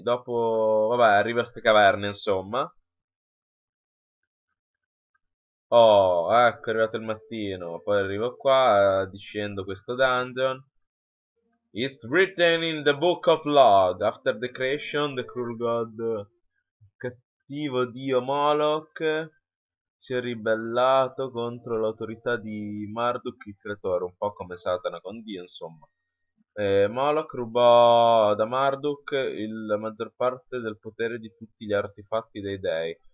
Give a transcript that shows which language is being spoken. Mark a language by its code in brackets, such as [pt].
[it] Dopo, vabbè, arriva a ste caverne, insomma. Oh, ecco, è arrivato il mattino. Poi arrivo qua, discendo questo dungeon. [en] It's written in the Book of Lod. After the creation, the cruel god, [it] cattivo dio Moloch, si è ribellato contro l'autorità di Marduk il creatore, un po' come Satana con Dio, insomma. E Moloch rubò da Marduk la maggior parte del potere di tutti gli artefatti dei dei.